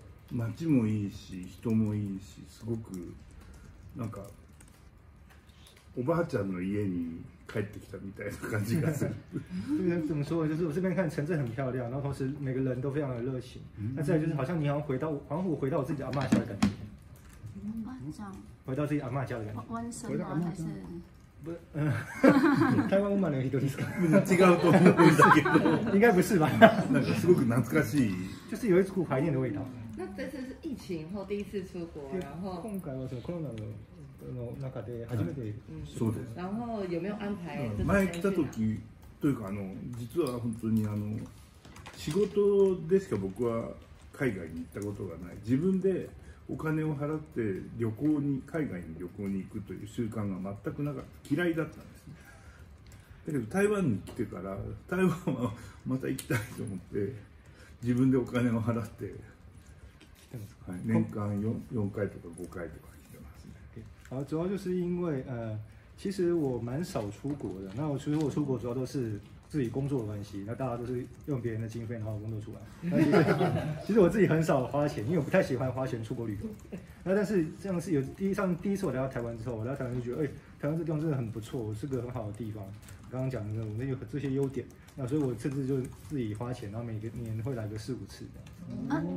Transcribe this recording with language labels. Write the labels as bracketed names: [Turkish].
[Japanese] 街もいいし、人もいいし、すごくなんかおばあちゃんの家に。帰ってきたみたいな感じがする。 [Chinese] 这边怎么说？就是我这边看城镇很漂亮，然后同时每个人都非常的热情。那再来就是好像你好像回到，仿佛回到我自己阿嬷家的感觉。阿嬷回到自己阿嬷家的感觉。温顺吗？还是？ [Japanese] 台湾生まれの人ですか？違うと思うんだけど。 [Chinese] 应该不是吧？ [Japanese] なんかすごく懐かしい。 [Chinese] 就是有一股怀念的味道。那这次是疫情后第一次出国，然后。 [Japanese] 今回はそのコロナの。の中で初めて、そうです。 [Chinese] 然后有没有安排？ [Japanese] 前来た時というか実は本当に仕事でしか僕は海外に行ったことがない。自分でお金を払って旅行に海外に旅行に行くという習慣が全くなかった。嫌いだったんですね。だけど台湾に来てから台湾はまた行きたいと思って自分でお金を払って、はい、年間4回とか5回とか。 [Chinese] 主要就是因为其实我蛮少出国的，那我其实我出国主要都是自己工作的关系，那大家都是用别人的经费然后工作出来，其实我自己很少花钱，因为我不太喜欢花钱出国旅游。那但是这样是有第一次我来到台湾之后，我来到台湾就觉得台湾这地方真的很不错，是个很好的地方，刚刚讲的我们有这些优点，那所以我甚至就自己花钱，然后每个年会来个4-5次的。